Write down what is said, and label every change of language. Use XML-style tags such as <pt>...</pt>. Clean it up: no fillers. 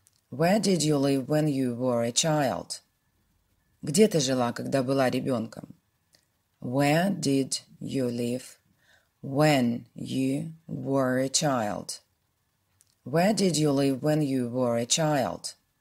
<en>Where did you live when you were a child?</en> <ru>Где ты жила, когда была ребенком?</ru> <en>Where did you live when you were a child? Where did you live when you were a child?</en>